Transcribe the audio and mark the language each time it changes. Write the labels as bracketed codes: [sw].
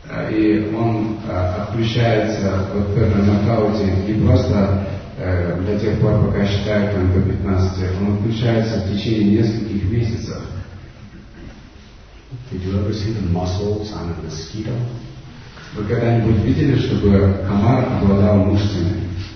[ru] И он отключается вот в этом нокауте не просто до тех пор, пока считают там до 15, он отключается в течение нескольких месяцев. [en] Did you ever see the muscles on a mosquito? [ru] Вы когда-нибудь видели, чтобы комар обладал мышцами?